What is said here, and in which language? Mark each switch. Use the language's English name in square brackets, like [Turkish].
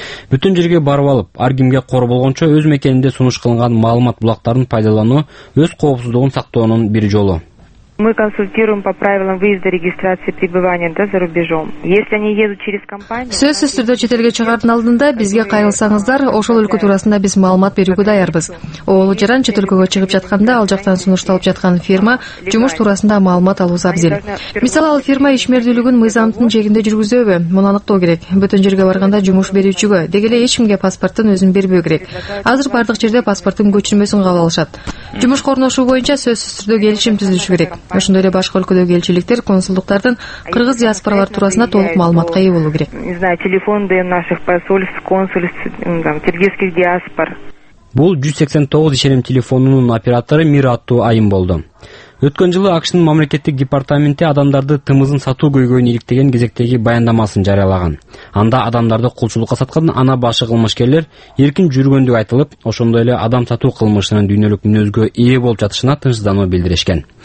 [Kyrgyz] Бүтүн жерге барып алып, ар кимге кор болгончо өз мекенинде сунуш кылынган маалымат булактарын пайдалануу өз коопсуздугун сактоонун бир жолу. [Russian] Мы консультируем по правилам выезда регистрации пребывания, да, за рубежом. Если они едут через компанию... [Kyrgyz] Сөзсіз түрде шетелге чыгардын алдында бизге кайрылсаңыздар, ошол өлкө туурасында биз маалымат берүүгө даярбыз. Ол жаран чет өлкөгө чыгып жатканда ал жактан сунушталып жаткан фирма жумуш туурасында маалымат алуусу абзел. Мисалы, ал фирма ишмердүүлүгүн мыйзамдын чегинде жүргүзөбү? Муну аныктоо керек. Бүтүн жерге барганда жумуш берүүчүгө деги эле эч кимге паспортун өзүн бербөө керек. Азыр бардык жерде паспорттун көчүрмөсүн кабыл алышат. Жумуш орношуу боюнча сөзсүз түрдө келишим түзүлүшү керек. Ошондой эле башка өлкөдөгү элчиликтер, консулдуктардын кыргыз диаспоралары туурасында толук маалыматка ээ болуу керек. [Russian] Не знаю, телефон ДМ наших посольств, консульств, там, киргизских диаспор. [Kyrgyz] Бул 189 ишеним телефонунун оператору Мираттуу Айым болду. Өткөн жылы АКШнын мамлекеттик департаменти адамдарды тымызын сатуу көйгөйүн иликтеген кезектеги баяндамасын жарыялаган. Анда адамдарды кулчулукка саткан ана башы кылмышкерлер эркин жүргөндүгү айтылып, ошондой эле адам сатуу кылмышынын дүйнөлүк мүнөзгө ээ болуп жатышына тынчсыздануу билдиришкен.